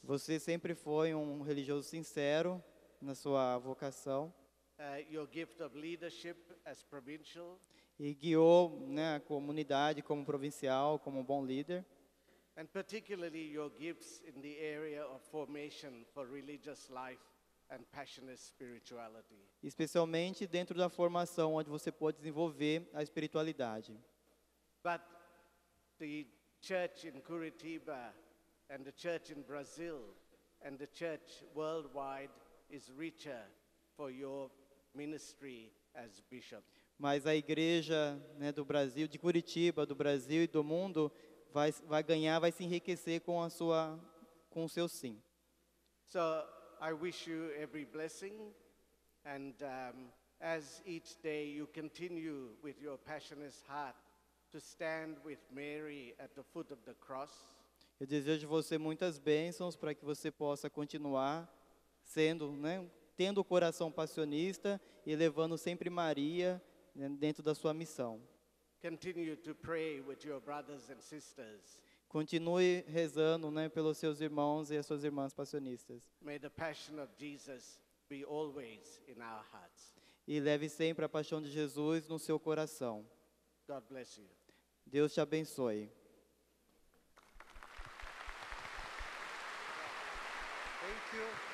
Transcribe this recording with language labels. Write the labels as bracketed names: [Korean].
[Portuguese] Você sempre foi um religioso sincero na sua vocação. [English] Your gift of leadership as provincial. [Portuguese] E guiou, né, a comunidade como provincial, como um bom líder. [English] And particularly your gifts in the area of formation for religious life and passionate spirituality. [Portuguese] Especialmente dentro da formação onde você pode desenvolver a espiritualidade. [English] But the church in Curitiba and the church in Brazil and the church worldwide is richer for your ministry as bishop. [Portuguese] Mas a Igreja, né, do Brasil, de Curitiba, do Brasil e do mundo vai ganhar, vai se enriquecer com o seu sim. [English] So I wish you every blessing, and as each day you continue with your passionate heart to stand with Mary at the foot of the cross. [Portuguese] Eu desejo você muitas bênçãos para que você possa continuar sendo, né, tendo o coração passionista e levando sempre Maria dentro da sua missão. [English] Continue to pray with your brothers and sisters. [Portuguese] Continue rezando, né, pelos seus irmãos e as suas irmãs passionistas. [English] May the passion of Jesus be always in our hearts. [Portuguese] E leve sempre a paixão de Jesus no seu coração. [English] God bless you. [Portuguese] Deus te abençoe. [English] Thank you.